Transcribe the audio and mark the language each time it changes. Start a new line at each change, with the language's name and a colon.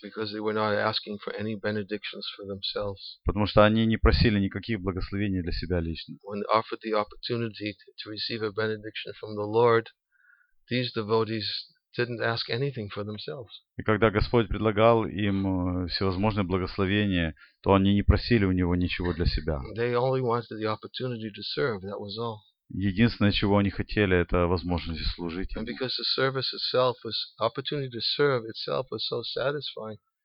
English: Because they were not asking for any benedictions for themselves.
Russian: Потому что они не просили никаких благословений для себя лично.
English: When offered the opportunity to receive a benediction from the Lord, these devotees didn't ask anything for themselves.
Russian: И когда Господь предлагал им всевозможные благословения, то они не просили у него ничего для себя.
English: They only wanted the opportunity to serve, that was all.
Russian: Единственное, чего они хотели, это возможность служить.
English: And because the service itself was opportunity to serve itself was so satisfying.